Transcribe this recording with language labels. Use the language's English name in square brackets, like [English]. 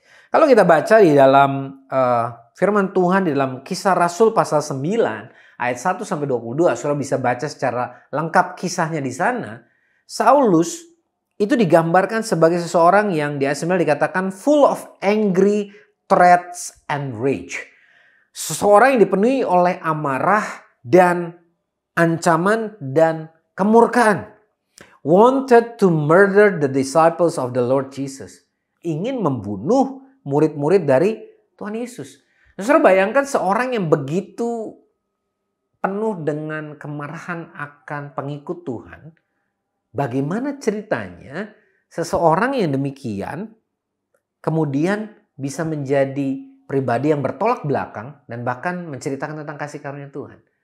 [Indonesian] Kalau kita baca di dalam firman Tuhan, di dalam Kisah Rasul pasal 9 ayat 1-22, Saudara bisa baca secara lengkap kisahnya di sana. Saulus itu digambarkan sebagai seseorang yang di asemel dikatakan [English] full of angry threats and rage. [Indonesian] Seseorang yang dipenuhi oleh amarah dan ancaman dan kemurkaan. [English] Wanted to murder the disciples of the Lord Jesus. [Indonesian] Ingin membunuh murid-murid dari Tuhan Yesus. Saudara bayangkan seorang yang begitu penuh dengan kemarahan akan pengikut Tuhan. Bagaimana ceritanya seseorang yang demikian kemudian bisa menjadi pribadi yang bertolak belakang dan bahkan menceritakan tentang kasih karunia Tuhan.